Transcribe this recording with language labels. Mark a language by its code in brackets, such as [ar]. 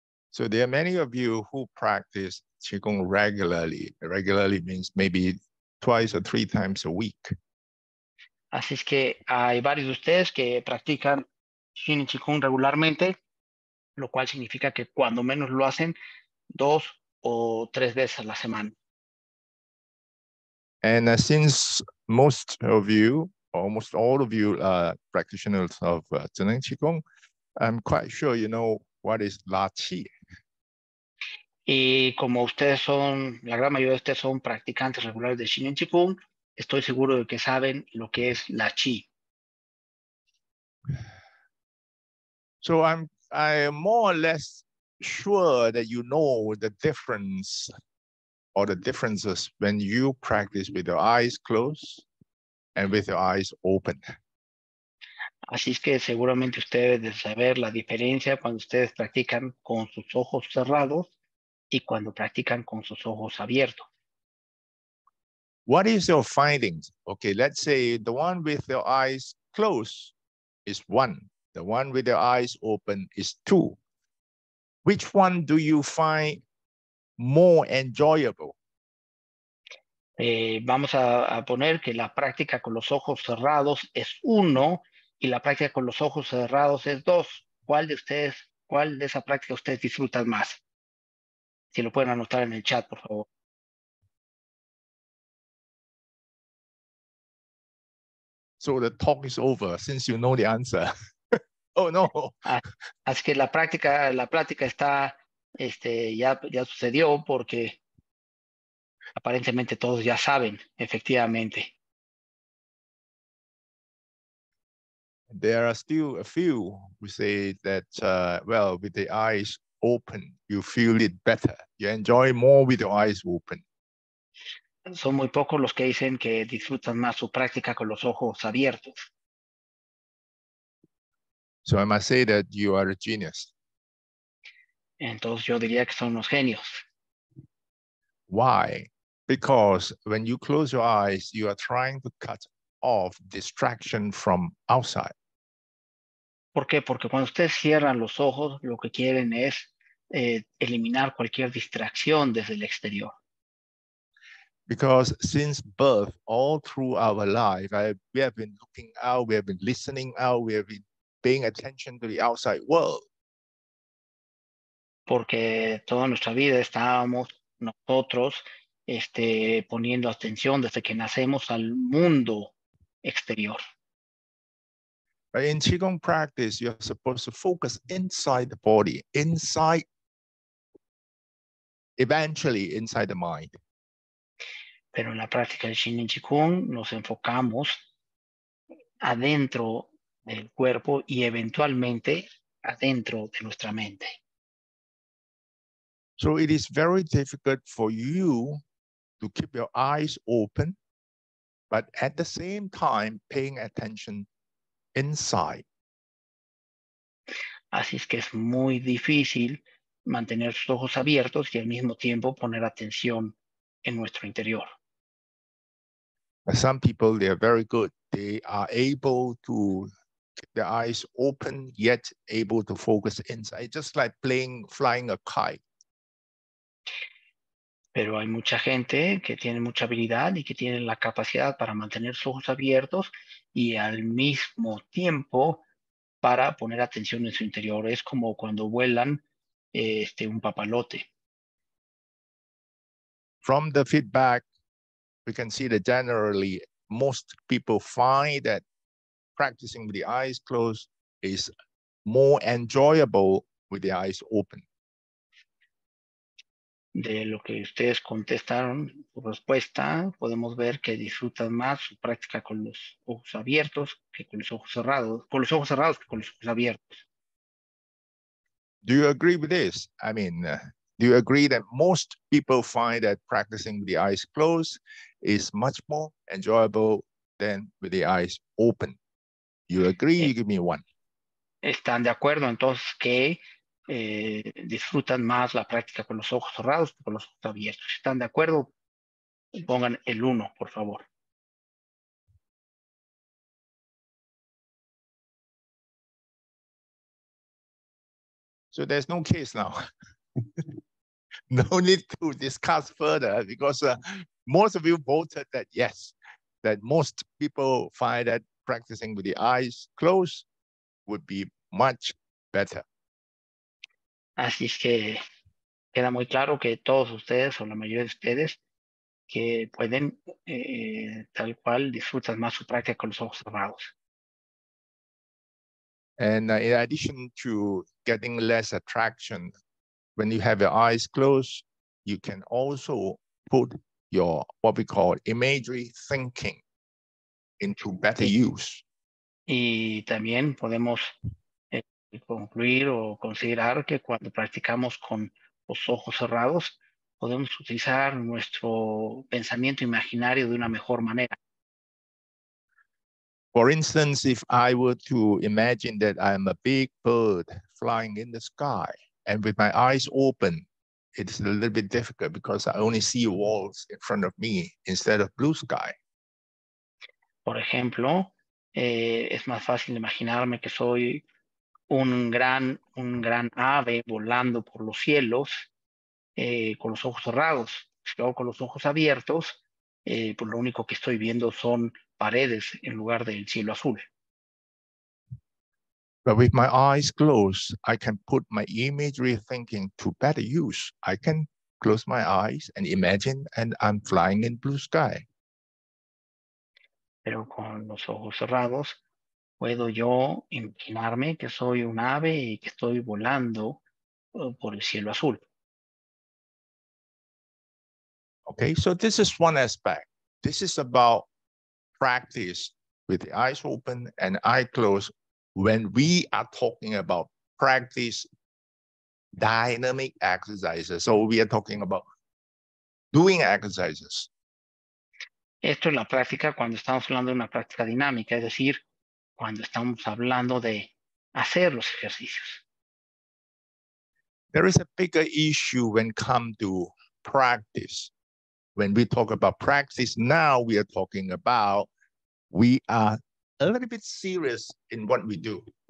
[en] So there are many of you who practice Qigong regularly. Regularly means maybe twice or three times a week. [es] Así es que hay varios de ustedes que practican Shin en Qigong regularmente, lo cual significa que cuando menos lo hacen 2 o 3 veces a la semana. [en] And since most of you, almost all of you are practitioners of Zen Qigong, I'm quite sure you know what is La Qi. [es] Y como ustedes son, la gran mayoría de ustedes son practicantes regulares de Shin en Qigong, estoy seguro de que saben lo que es la chi. [en] So I am more or less sure that you know the difference or the differences when you practice with your eyes closed and with your eyes open. [es] Así es que seguramente ustedes deben saber la diferencia cuando ustedes practican con sus ojos cerrados y cuando practican con sus ojos abiertos. [en] What is your findings? Okay, let's say the one with your eyes closed is 1. The one with your eyes open is 2. Which one do you find more enjoyable? [es] Vamos a poner que la práctica con los ojos cerrados es 1 y la práctica con los ojos cerrados es 2. ¿Cuál de esa práctica ustedes disfrutan más? Si lo pueden anotar en el chat, por favor. [en] So the talk is over since you know the answer. Oh no. [es] Así que la práctica está ya sucedió porque aparentemente todos ya saben, efectivamente. [en] There are still a few who say that with the eyes open, you feel it better. You enjoy more with your eyes open. [es] Son muy pocos los que dicen que disfrutan más su práctica con los ojos abiertos. [en] So I must say that you are a genius. [es] Entonces yo diría que son unos genios. [en] Why? Because when you close your eyes, you are trying to cut off distraction from outside. [es] ¿Por qué? Porque cuando ustedes cierran los ojos, lo que quieren es eliminar cualquier distracción desde el exterior. [en] Because since birth, all through our life, we have been looking out, we have been listening out, we have been paying attention to the outside world. [es] Porque toda nuestra vida estábamos nosotros poniendo atención desde que nacemos al mundo exterior. [en] But in Qigong practice, you're supposed to focus inside the body, inside the mind. [es] Pero en la práctica del Shin en Qigong nos enfocamos adentro del cuerpo y eventualmente adentro de nuestra mente. [en] So it is very difficult for you to keep your eyes open, but at the same time paying attention inside. [es] Así es que es muy difícil mantener sus ojos abiertos y al mismo tiempo poner atención en nuestro interior. [en] Some people, they are very good. They are able to keep their eyes open, yet able to focus inside. Just like flying a kite. [es] Pero hay mucha gente que tiene mucha habilidad y que tiene la capacidad para mantener sus ojos abiertos y al mismo tiempo para poner atención en su interior. Es como cuando vuelan un papalote. [en] From the feedback, we can see that generally most people find that practicing with the eyes closed is more enjoyable with the eyes open. [es] De lo que ustedes contestaron, su respuesta, podemos ver que disfrutan más su práctica con los ojos abiertos que con los ojos cerrados, con los ojos cerrados que con los ojos abiertos. [en] Do you agree with this? I mean, do you agree that most people find that practicing with the eyes closed is much more enjoyable than with the eyes open? You agree? You give me one. [es] ¿Están de acuerdo entonces que disfrutan más la práctica con los ojos cerrados que con los ojos abiertos? ¿Están de acuerdo? Pongan el uno, por favor. [en] So there's no case now. No need to discuss further because most of you voted that yes, that most people find that practicing with the eyes closed would be much better. [es] Así es que queda muy claro que todos ustedes o la mayoría de ustedes que pueden tal cual disfrutan más su práctica con los ojos cerrados. [en] And in addition to getting less attraction, when you have your eyes closed, you can also put your what we call imagery thinking into better use. [es] Y también podemos concluir o considerar que cuando practicamos con los ojos cerrados, podemos utilizar nuestro pensamiento imaginario de una mejor manera. [en] For instance, if I were to imagine that I am a big bird flying in the sky, and with my eyes open, it's a little bit difficult because I only see walls in front of me instead of blue sky. [es] Por ejemplo, es más fácil imaginarme que soy un gran ave volando por los cielos con los ojos cerrados. Si hago con los ojos abiertos, pues lo único que estoy viendo son paredes en lugar del cielo azul. [en] But with my eyes closed, I can put my imagery thinking to better use. I can close my eyes and imagine and I'm flying in blue sky. [es] Pero con los ojos cerrados, puedo yo imaginarme que soy un ave y que estoy volando por el cielo azul. [en] Okay, so this is one aspect. This is about practice with the eyes open and eye closed. When we are talking about practice dynamic exercises, so we are talking about doing exercises. [es] Esto es la práctica cuando estamos hablando de una práctica dinámica, es decir, cuando estamos hablando de hacer los ejercicios. [en] There is a bigger issue when come to practice. When we talk about practice, now we are talking about we are a little bit serious in what we do.